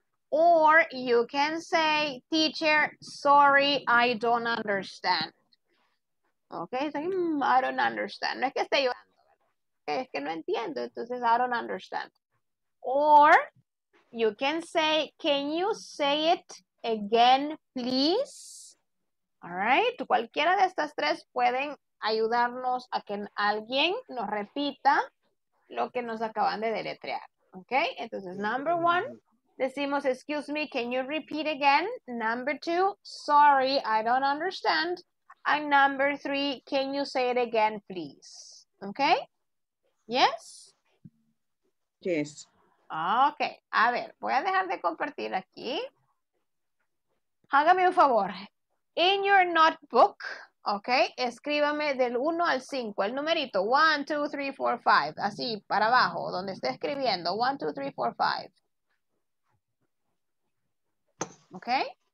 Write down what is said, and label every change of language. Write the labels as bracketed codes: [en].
[en] Or you can say, teacher, sorry, I don't understand. Okay, so, I don't understand. [es] No es que esté llorando, es que no entiendo, entonces [en] I don't understand. Or you can say, can you say it again, please? All right, [es] cualquiera de estas tres pueden ayudarnos a que alguien nos repita lo que nos acaban de deletrear. [en] Okay, [es] entonces, [en] number one, [es] decimos, [en] excuse me, can you repeat again? Number two, sorry, I don't understand. And number three, can you say it again, please? Okay? Yes? Yes. [es] Okay, a ver, voy a dejar de compartir aquí. Hágame un favor. [en] In your notebook, [es] okay, escríbame del 1 al 5, el numerito, 1, 2, 3, 4, 5, así, para abajo, donde esté escribiendo, 1, 2, 3, 4, 5. Okay.